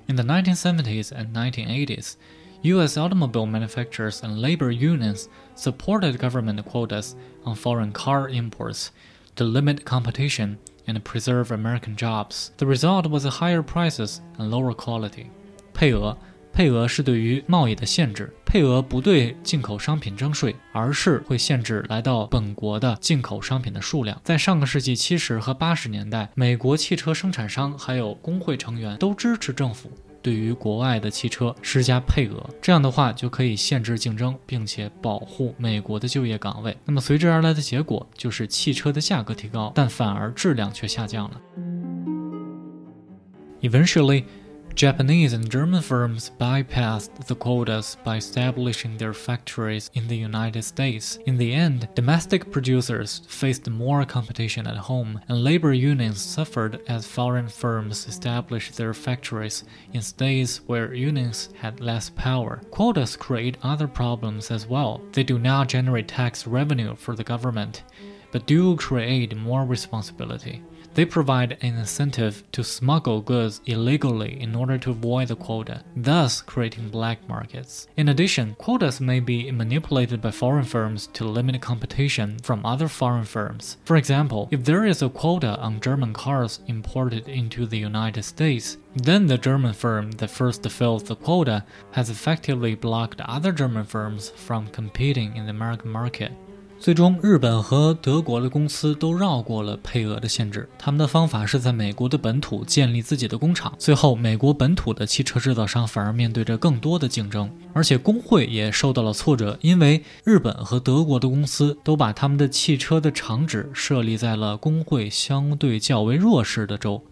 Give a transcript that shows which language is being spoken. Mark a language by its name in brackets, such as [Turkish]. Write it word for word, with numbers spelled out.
[English] In the nineteen seventies and nineteen eighties,U S automobile manufacturers and labor unions supported government quotas on foreign car imports to limit competition and preserve American jobs. The result was higher prices and lower quality. [Chinese] 配额，配额是对于贸易的限制。配额不对进口商品征税，而是会限制来到本国的进口商品的数量。在上个世纪七十和八十年代，美国汽车生产商还有工会成员都支持政府对于国外的汽车施加配额，这样的话就可以限制竞争，并且保护美国的就业岗位。那么随之而来的结果就是汽车的价格提高，但反而质量却下降了。 [English] Eventually, Japanese and German firms bypassed the quotas by establishing their factories in the United States. In the end, domestic producers faced more competition at home, and labor unions suffered as foreign firms established their factories in states where unions had less power. Quotas create other problems as well. They do not generate tax revenue for the government, but do create more responsibility. They provide an incentive to smuggle goods illegally in order to avoid the quota, thus creating black markets. In addition, quotas may be manipulated by foreign firms to limit competition from other foreign firms. For example, if there is a quota on German cars imported into the United States, then the German firm that first fills the quota has effectively blocked other German firms from competing in the American market. [Chinese] 最终日本和德国的公司都绕过了配额的限制，他们的方法是在美国的本土建立自己的工厂，最后美国本土的汽车制造商反而面对着更多的竞争，而且工会也受到了挫折，因为日本和德国的公司都把他们的汽车的厂址设立在了工会相对较为弱势的州，